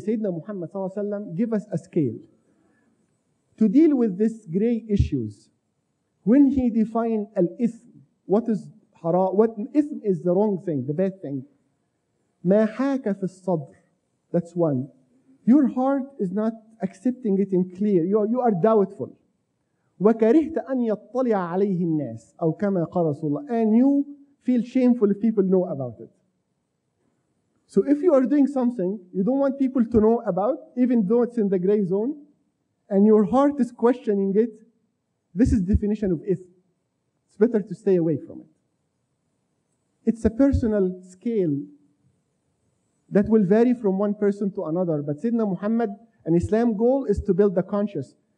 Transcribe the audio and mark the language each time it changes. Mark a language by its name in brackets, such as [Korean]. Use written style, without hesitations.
[English] Sayyidina Muhammad صلى الله عليه وسلم, give us a scale to deal with these gray issues. When he defined al-ithm, what is haram? What ithm is the wrong thing, the bad thing? [Arabic] ما حاك في الصدر. [English] That's one. Your heart is not accepting it in clear. You are doubtful. [Arabic] وكرهت أن يطلع عليه الناس أو كما قال رسول الله [English] and you feel shameful if people know about it. So if you are doing something you don't want people to know about even though it's in the gray zone and your heart is questioning it, this is definition of ithm. It's better to stay away from it. It's a personal scale that will vary from one person to another, but Sayyidina Muhammad, an Islam goal is to build the conscious.